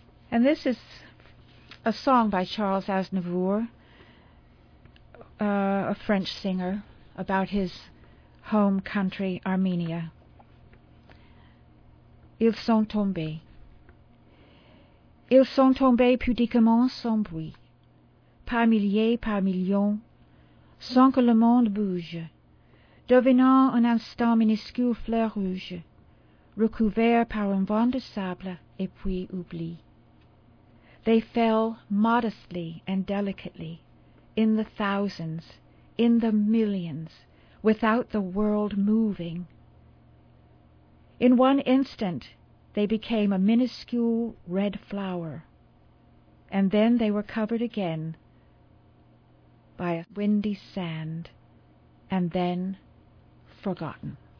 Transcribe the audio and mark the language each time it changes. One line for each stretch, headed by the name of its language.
English: And this is a song by Charles Aznavour, a French singer, about his home country, Armenia.
French: Ils sont tombés. Ils sont tombés pudiquement sans bruit, par milliers, par millions, sans que le monde bouge, devenant un instant minuscule fleur rouge, recouvert par un vent de sable et puis oubli.
English: They fell modestly and delicately, in the thousands, in the millions, without the world moving. In one instant, they became a minuscule red flower, and then they were covered again by a windy sand, and then forgotten.